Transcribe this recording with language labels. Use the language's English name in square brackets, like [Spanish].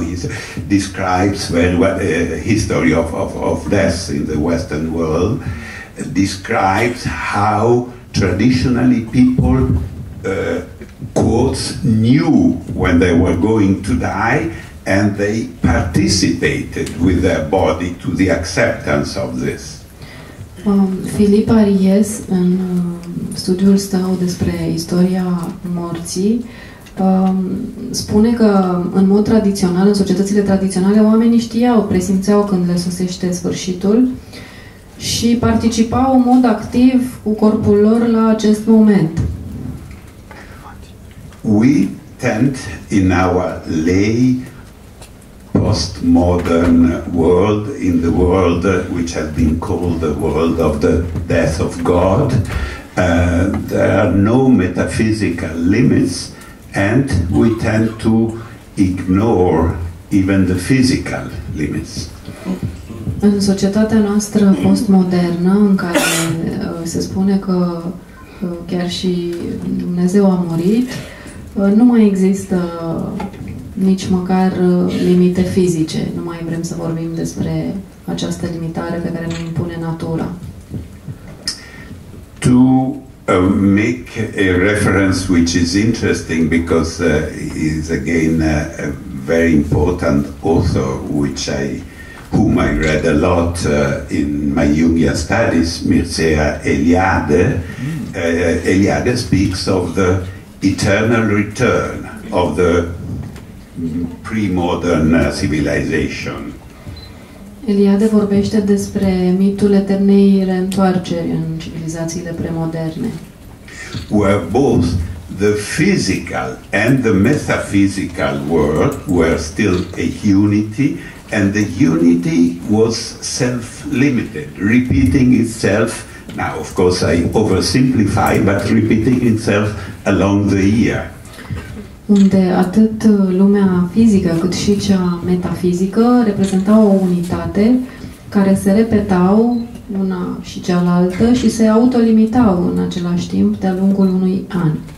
[English] He describes very well the history of death in the Western world, describes how traditionally people quotes knew when they were going to die, and they participated with their body to the acceptance of this. [Romanian] Philippe Ariès, în studiul său despre istoria morții, spune că în mod tradițional, în societățile tradiționale, oamenii știau, presimțeau când le sosește sfârșitul și participau în mod activ cu corpul lor la acest moment. [English] We tend in our lay postmodern world, in the world which has been called the world of the death of God, there are no metaphysical limits, and we tend to ignore even the physical limits. [Romanian] În societatea noastră postmodernă, în care se spune că chiar și Dumnezeu a murit, nu mai există nici măcar limite fizice. Nu mai vrem să vorbim despre această limitare pe care ne impune natura. [English] To make a reference which is interesting because is again a very important author which whom I read a lot in my Jungian studies, Mircea Eliade. Eliade speaks of the eternal return of the pre-modern civilization. [Romanian] Eliade vorbește despre mitul eternei reîntoarceri în civilizațiile premoderne. [English] Where both the physical and the metaphysical world were still a unity, and the unity was self-limited, repeating itself. Now, of course, I oversimplify, but repeating itself along the year. [Romanian] Unde atât lumea fizică cât și cea metafizică reprezentau o unitate care se repetau una și cealaltă și se autolimitau în același timp de-a lungul unui an.